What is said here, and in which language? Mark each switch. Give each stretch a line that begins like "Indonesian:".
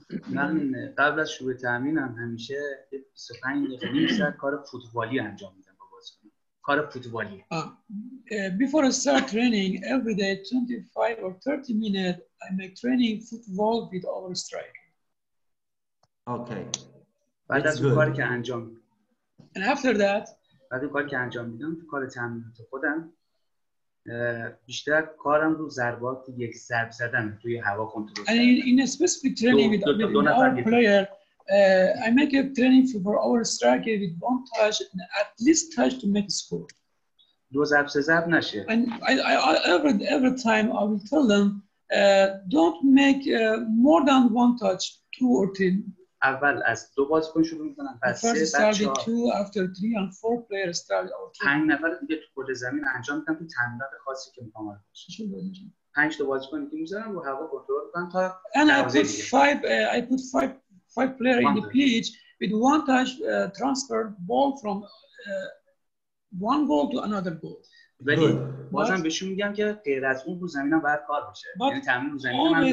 Persian: من قبل از شروع تمرینم همیشه 25 دقیقه کار فوتبالی انجام میدم با بازیکن. کار فوتبالی.
English: Before I start training every day 25 or 30 minutes I make training football with our striker. Okay.
Persian: بعد از کاری که انجام
English: And after that,
Persian: بعد اون کاری که انجام میدم تو کار تمرینات خودم بیشتر کارم رو ضربات یک ضرب زدن توی هوا کنترل کردن.
English: And in a specific training with our player, I make a training for our striker with one touch and at least touch to make a score.
Persian: دو ضرب سه ضرب نشه.
English: And every time I will tell them, don't make more than one touch, two or three.
Persian: اول از دو بازیکن شروع می‌کنن پس سه بعد
English: تو after 3 and 4 player start out
Persian: 5 نفر دیگه تو کل زمین انجام میدن تو تمرینات خاصی که می‌خوام انجام بشه 5 تا بازیکن دیگه می‌ذارم رو هوا کنترل کنم تا
English: انا I put five player in the pitch with one touch transfer ball from one goal to another goal.
Persian: ولی بازم بهشون میگم که غیر از اون رو زمین هم باید کار بشه یعنی تمرین رو زمین هم